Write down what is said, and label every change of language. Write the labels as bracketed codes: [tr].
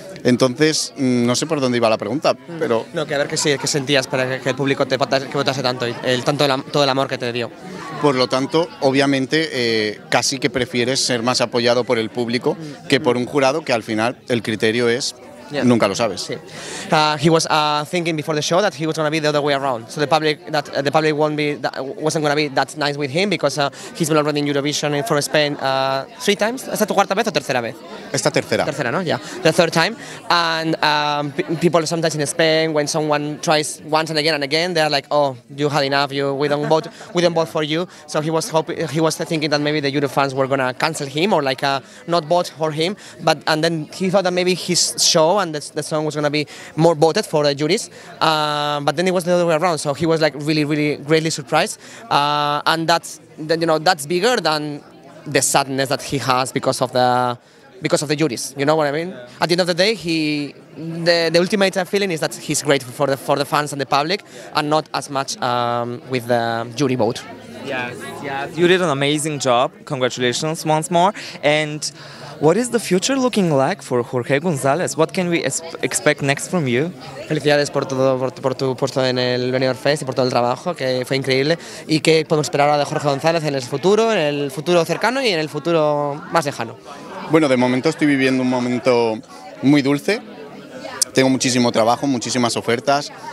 [es] Entonces, no sé por dónde iba la pregunta, pero... No, que a ver qué sí, que sentías para que el público te que votase tanto, todo el amor que te dio. Por lo tanto, obviamente, casi que prefieres ser más apoyado por el público que por un jurado, que al final el criterio es... Yeah. Nunca lo sabes. Sí. [en] He was thinking before the show that he was going to be the other way around. So the public wasn't going to be that nice with him because he's been already in Eurovision for Spain 3 times. [es] ¿Es tu cuarta vez o tercera vez? Esta tercera. Tercera, ¿no? [en] Yeah. The third time. And people sometimes in Spain, when someone tries once and again, they're like, "Oh, you had enough. We don't vote for you." So he was thinking that maybe the Euro fans were going to cancel him or not vote for him. But and then he thought that maybe his show and the song was going to be more voted for the juries, but then it was the other way around, so he was really, really greatly surprised, and that's bigger than the sadness that he has because of the juries, you know what I mean? Yeah. At the end of the day, the ultimate feeling is that he's grateful for the fans and the public, and not as much with the jury vote. Yes, you did an amazing job, congratulations once more, and what is the future looking like for Jorge González? What can we expect next from you? [es] Felicidades por todo, por tu puesto en el Benidorm Fest y por todo el trabajo, que fue increíble. ¿Y qué podemos esperar ahora de Jorge González en el futuro cercano y en el futuro más lejano? Bueno, de momento estoy viviendo un momento muy dulce. Tengo muchísimo trabajo, muchísimas ofertas.